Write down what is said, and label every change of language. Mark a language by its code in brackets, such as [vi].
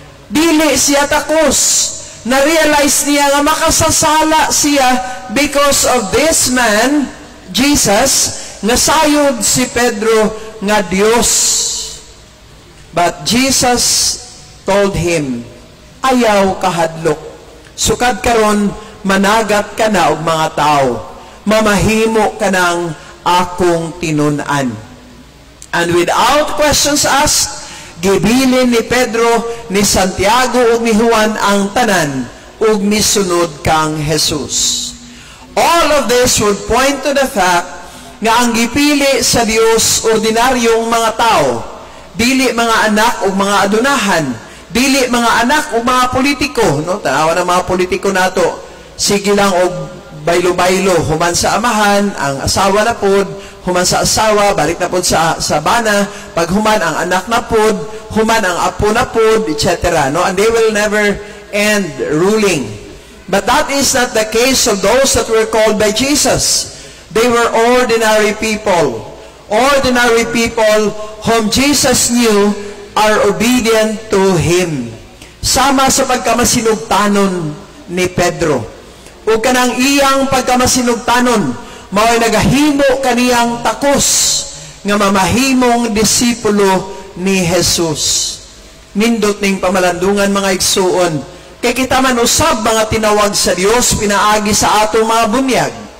[ceb] Dili siya takos. Na-realize niya nga makasasala siya [en] because of this man, [ceb] Jesus, nga sayod si Pedro nga Dios. [en] But Jesus told him, [ceb] ayaw kahadlok. Sukad karon managat ka na og mga tao. Mamahimo ka ng akong tinunan. [en] And without questions asked, [ceb] gibilin ni Pedro, ni Santiago ug ni Juan ang tanan ug misunod kang Jesus. [en] All of this would point to the fact [ceb] nga ang gipili sa Dios ordinaryong mga tao, dili mga anak ug mga adunahan, dili mga anak ug mga politiko, no, tawo na mga politiko nato, sige lang og baylo-baylo, human sa amahan, ang asawa na pod, human sa asawa, balik na pod sa bana, pag human ang anak na pod, human ang apo na pod, etc. No? [en] And they will never end ruling. But that is not the case of those that were called by Jesus. They were ordinary people. Ordinary people whom Jesus knew are obedient to Him. [ceb] Sama sa pagkamasinugtanon ni Pedro. O kanang iyang pagkamasinugtanon, mao'y nagahimo kaniyang takos nga mamahimong disipulo ni Jesus. Nindot ning pamalandungan mga igsuon, kay kita man usab mga tinawag sa Dios pinaagi sa ato mga bunyag.